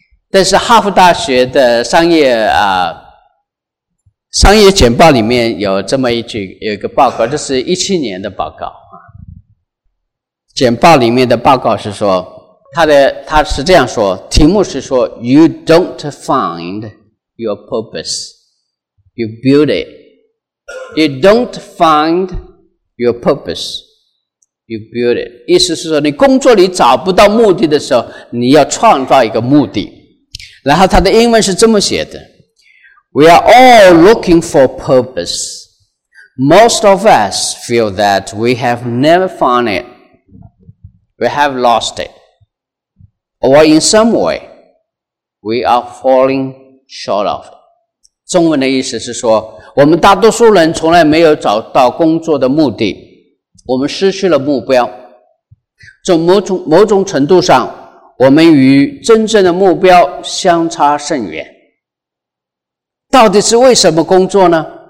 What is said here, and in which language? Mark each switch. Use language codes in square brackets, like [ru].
[zh] 但是哈佛大学的商业简报里面有这么一句，有一个报告，这是17年的报告。简报里面的报告是说，他是这样说，题目是说 , [en] You don't find your purpose, you build it. You don't find your purpose. You build it. [zh] 意思是说，你工作里找不到目的的时候，你要创造一个目的。然后他的英文是这么写的 [en] We are all looking for purpose. Most of us feel that we have never found it. We have lost it. Or in some way, we are falling short of it. [zh] 中文的意思是说，我们大多数人从来没有找到工作的目的，我们失去了目标，从某种程度上，我们与真正的目标相差甚远。到底是为什么工作呢？